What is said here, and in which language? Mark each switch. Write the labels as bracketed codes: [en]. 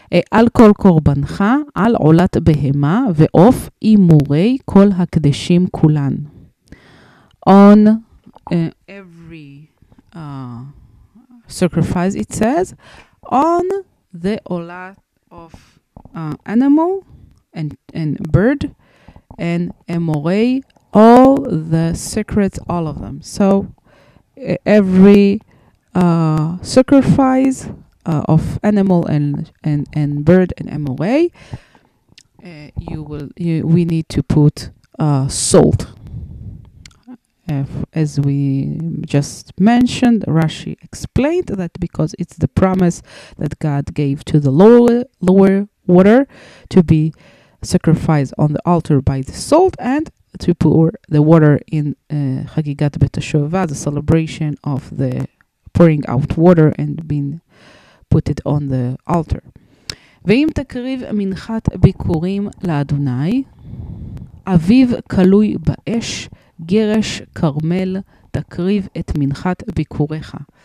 [he] על כל קורבנך, על עולת בהמה ועוף אימורי כל הקדשים כולן. [en] On every sacrifice, it says, on the olat of animal and bird and emorei, all the secrets, all of them. So every sacrifice of animal and bird and MOA, we need to put salt. As we just mentioned, Rashi explained that because it's the promise that God gave to the lower water to be sacrificed on the altar by the salt, and to pour the water in Chagigat Bet HaShoevah, the celebration of the pouring out water and being put it on the altar. [he] ואם תקריב מנחת ביקורים לאדוני, אביב קלוי באש, גרש קרמל, תקריב את מנחת ביקוריך.